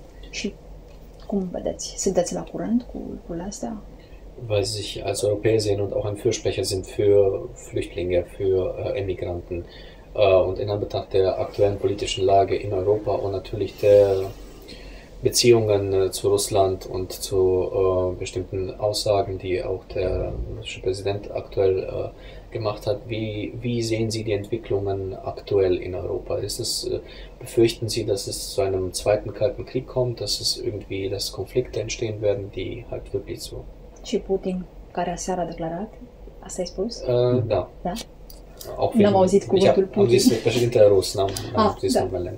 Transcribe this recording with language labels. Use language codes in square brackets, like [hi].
[ro] Și cum vedeți? Sunteți la curent cu lucrurile astea? [de] Weil Sie sich als Europäer sehen und auch ein Fürsprecher sind für Flüchtlinge, für Emigranten und in Anbetracht der aktuellen politischen Lage in Europa und natürlich der Beziehungen zu Russland und zu bestimmten Aussagen, die auch der russische Präsident aktuell gemacht hat, wie sehen Sie die Entwicklungen aktuell in Europa? Ist es, befürchten Sie, dass es zu einem zweiten Kalten Krieg kommt, dass es irgendwie, dass Konflikte entstehen werden, die halt wirklich so... [ro] Și Putin, care aseară a declarat, asta ai spus? Da. Da? [de] Auch [ro] n-am auzit cuvântul Putin. Am zis președintele rus, n-am zis numele.